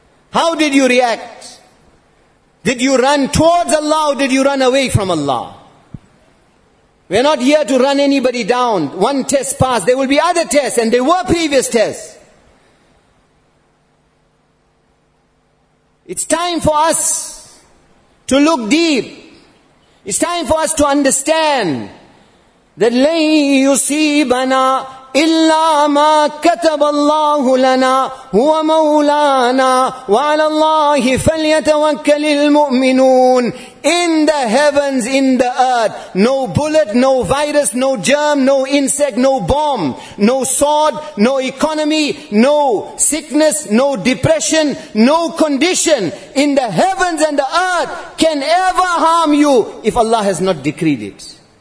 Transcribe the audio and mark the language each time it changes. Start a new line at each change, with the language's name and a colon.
English: How did you react? Did you run towards Allah or did you run away from Allah? We're not here to run anybody down. One test passed, there will be other tests, and there were previous tests. It's time for us to look deep. It's time for us to understand that
Arabic: لَنْ يُصِيبَنَا إِلَّا مَا كَتَبَ اللَّهُ لَنَا هُوَ مَوْلَانَا وَعَلَى اللَّهِ فَلْيَتَوَكَّلِ الْمُؤْمِنُونَ.
English: In the heavens, in the earth, no bullet, no virus, no germ, no insect, no bomb, no sword, no economy, no sickness, no depression, no condition in the heavens and the earth can ever harm you if Allah has not decreed it.